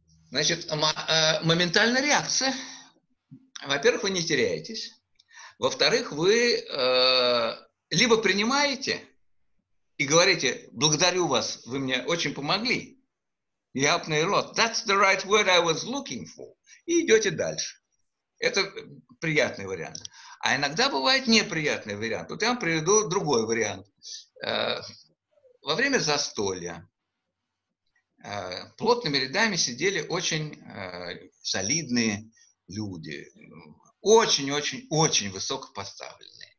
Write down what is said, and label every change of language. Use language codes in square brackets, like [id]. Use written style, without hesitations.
[ru] Значит, моментальная реакция. Во-первых, вы не теряетесь. Во-вторых, вы либо принимаете и говорите: благодарю вас, вы мне очень помогли. [en] You helped me a lot. That's the right word I was looking for. [ru] И идете дальше. Это приятный вариант. А иногда бывает неприятный вариант. Вот я вам приведу другой вариант. Во время застолья плотными рядами сидели очень солидные люди, очень-очень-очень высокопоставленные.